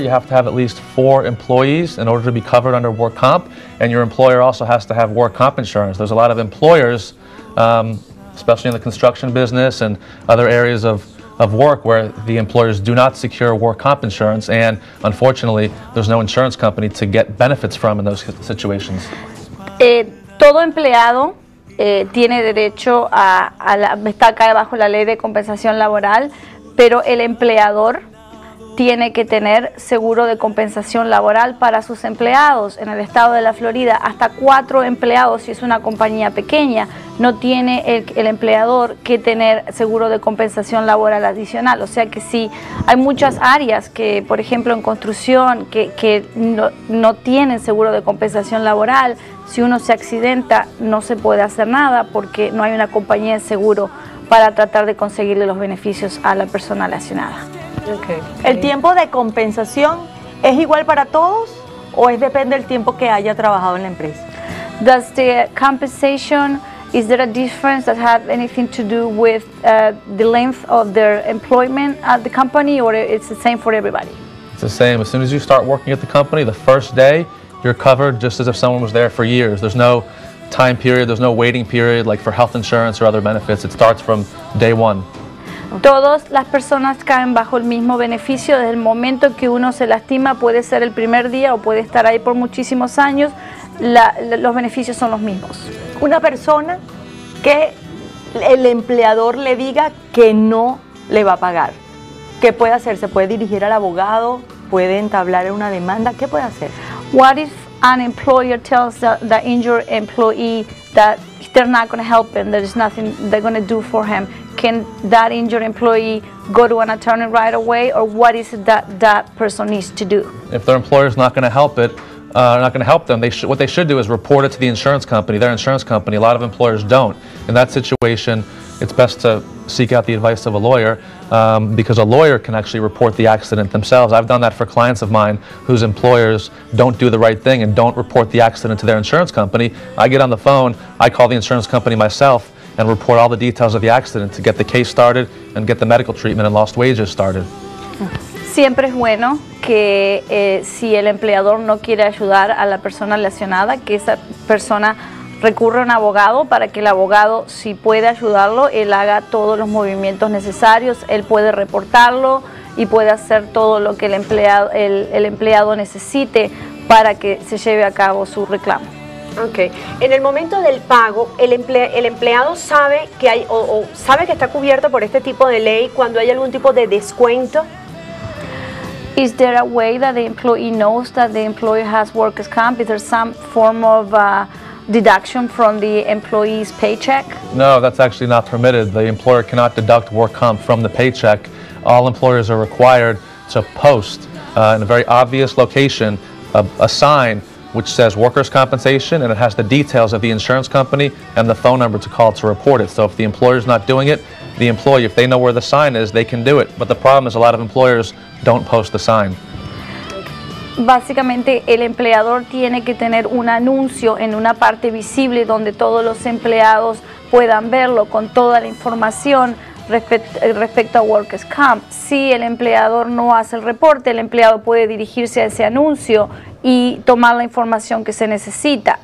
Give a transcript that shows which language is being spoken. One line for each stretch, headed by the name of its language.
English: You have to have at least 4 employees in order to be covered under work comp, and your employer also has to have work comp insurance. There's a lot of employers. Especially in the construction business and other areas of work where the employers do not secure work comp insurance, and unfortunately, there's no insurance company to get benefits from in those situations.
Spanish: Todo empleado tiene derecho está acá bajo la ley de compensación laboral, pero el empleador tiene que tener seguro de compensación laboral para sus empleados. En el estado de la Florida, hasta 4 empleados, si es una compañía pequeña, no tiene el empleador que tener seguro de compensación laboral adicional. O sea que sí, hay muchas áreas que, por ejemplo, en construcción, que no tienen seguro de compensación laboral. Si uno se accidenta, no se puede hacer nada porque no hay una compañía de seguro para tratar de conseguirle los beneficios a la persona lesionada.
English: Okay.
Spanish: ¿El tiempo de compensación es igual para todos o es depende del tiempo que haya trabajado en la empresa?
English: Does the compensation, is there a difference that have anything to do with the length of their employment at the company, or it's the same for everybody? It's the same. As soon as you start working at the company, the first day, you're covered just as if someone was there for years. There's no time period, there's no waiting period like for health insurance or other benefits. It starts from day one.
Spanish: Todas las personas caen bajo el mismo beneficio desde el momento que uno se lastima, puede ser el primer día o puede estar ahí por muchísimos años, los beneficios son los mismos. Una persona que el empleador le diga que no le va a pagar, ¿qué puede hacer? ¿Se puede dirigir al abogado? ¿Puede entablar una demanda? ¿Qué puede hacer?
English: What if an employer tells the injured employee that they're not going to help him, there's nothing they're going to do for him? Can that injured employee go to an attorney right away, or what is it that that person needs to do? If their employer is not going to help it, not going to help them, what they should do is report it to the insurance company, their insurance company. A lot of employers don't. In that situation, it's best to seek out the advice of a lawyer, because a lawyer can actually report the accident themselves. I've done that for clients of mine whose employers don't do the right thing and don't report the accident to their insurance company. I get on the phone, I call the insurance company myself, and report all the details of the accident to get the case started and get the medical treatment and lost wages started.
Spanish: siempre es bueno que si el empleador no quiere ayudar a la persona lesionada, que esa persona recurra a un abogado para que el abogado, si puede ayudarlo, él haga todos los movimientos necesarios, él puede reportarlo y puede hacer todo lo que el empleado necesite para que se lleve a cabo su reclamo.
English: Okay.
Spanish: En el momento del pago, el empleado sabe que hay o sabe que está cubierto por este tipo de ley cuando hay algún tipo de descuento.
English: Is there a way that the employee knows that the employer has workers' comp? Is there some form of deduction from the employee's paycheck? No, that's actually not permitted. The employer cannot deduct work comp from the paycheck. All employers are required to post in a very obvious location a sign which says workers' compensation, and it has the details of the insurance company and the phone number to call to report it. So if the employer's not doing it, the employee, if they know where the sign is, they can do it. But the problem is a lot of employers don't post the sign.
Spanish: Básicamente, el empleador tiene que tener un anuncio en una parte visible donde todos los empleados puedan verlo con toda la información respecto a Workers' Comp. Si el empleador no hace el reporte, el empleado puede dirigirse a ese anuncio y tomar la información que se necesita.